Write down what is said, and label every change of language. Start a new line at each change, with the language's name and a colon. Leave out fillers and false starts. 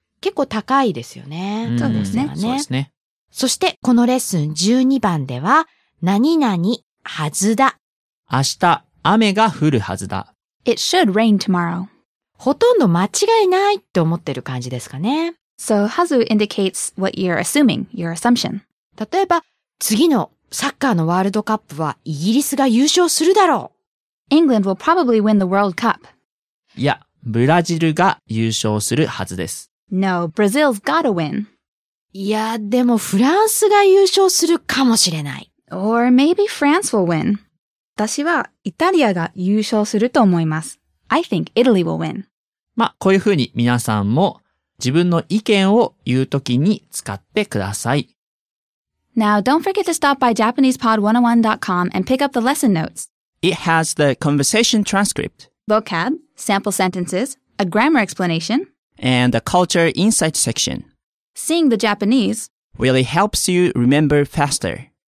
Japanese: 結構高いですよね。そうですね。そうですね。そしてこのレッスン12番では何々はずだ。明日雨が降るはずだ。
English: It should rain tomorrow.
Japanese: ほとんど間違いないって思ってる感じですかね。
English: So, hazu indicates what you're assuming, your assumption.
Japanese: 例えば、次のサッカーのワールドカップはイギリスが優勝するだろう。
English: England will probably win the World Cup.
Japanese: いや、ブラジルが優勝するはずです。
English: No, Brazil's gotta win.
Japanese: いや、でもフランスが優勝するかもしれない。
English: Or maybe France will win.
Japanese: 私はイタリアが優勝すると思います。
English: I think Italy will win.
Japanese: まあ、こういうふうに皆さんも自分の意見を言うときに使ってください。
English: Now, don't forget to stop by JapanesePod101.com and pick up the lesson notes. It has the conversation transcript, vocab, sample sentences, a grammar explanation, and a culture insight section. Seeing the Japanese really helps you remember faster.